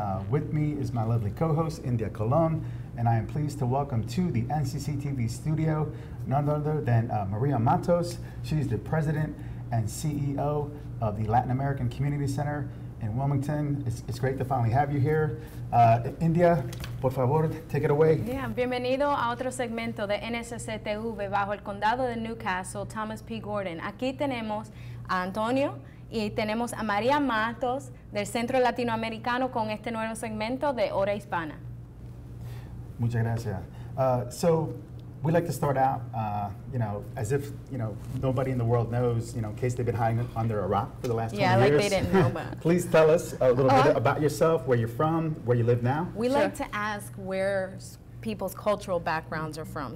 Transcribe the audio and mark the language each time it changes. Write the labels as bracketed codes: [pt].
[en] With me is my lovely co-host, India Colon, and I am pleased to welcome to the NCCTV studio none other than Maria Matos. She's the president and CEO of the Latin American Community Center in Wilmington. It's great to finally have you here. India, [es] por favor, [en] take it away. [es] Yeah, bienvenido a otro segmento de NCCTV bajo el condado de Newcastle, Thomas P. Gordon. Aquí tenemos a Antonio y tenemos a María Matos del Centro Latinoamericano con este nuevo segmento de Hora Hispana. Muchas gracias. [en] So we like to start out, as if, nobody in the world knows, in case they've been hiding under a rock for the last 20 years. Yeah, like they didn't know about. Please tell us a little bit about yourself, where you're from, where you live now. We like to ask where people's cultural backgrounds are from.